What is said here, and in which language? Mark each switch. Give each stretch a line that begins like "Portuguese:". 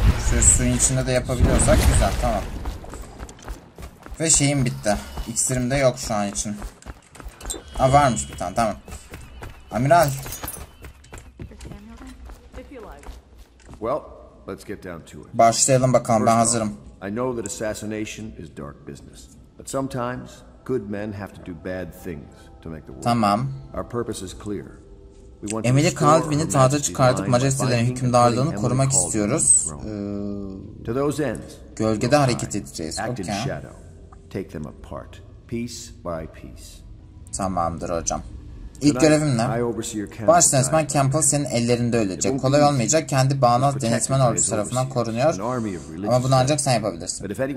Turkish: Şu suyun içinde de yapabiliyorsak güzel, tamam. Ve şeyim bitti. İksirim de yok şu an için. Ha, varmış bir tane, tamam. Amiral.
English: Well, let's get down to it.
Turkish: Başlayalım bakalım, ben hazırım.
English: I know that assassination is dark business, but sometimes good men have to do bad things to make the world.
Turkish: Tamam.
English: Our purpose is clear.
Turkish: Emily Caldwin'i tahta çıkartıp majesteden hükümdarlığını korumak istiyoruz.
English: To those ends.
Turkish: Gölgede hareket edeceğiz.
English: Okay. Take them apart, piece by piece.
Turkish: Tamamdır hocam. İlk görevim ne? Başsanız ben Campbell senin ellerinde ölecek. Kolay olmayacak. Kendi bağnaz denetmen ordusu tarafından korunuyor. Ama bunu ancak sen yapabilirsin.